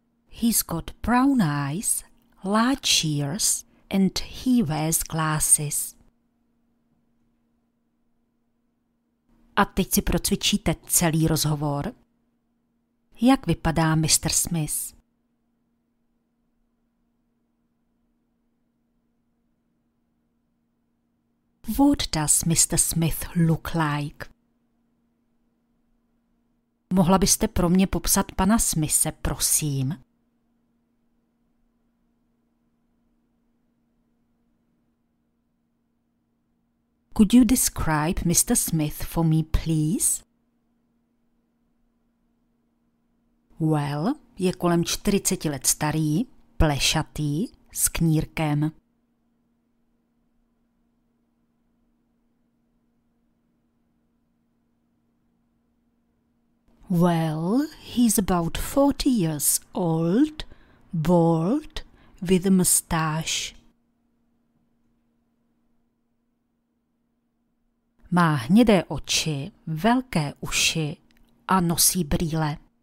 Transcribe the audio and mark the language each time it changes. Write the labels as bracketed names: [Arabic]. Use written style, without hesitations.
[English] He's got brown eyes, large ears, and he wears glasses. [Czech] A teď si procvičíte celý rozhovor. Jak vypadá Mr. Smith? [English] What does Mr. Smith look like? [Czech] Mohla byste pro mě popsat pana Smithe, prosím? [English] Could you describe Mr. Smith for me, please? [Czech] Well, je kolem 40 let starý, plešatý, s knírkem. [English] Well, he's about 40 years old, bald, with a mustache. [Czech] Má hnědé oči, velké uši a nosí brýle.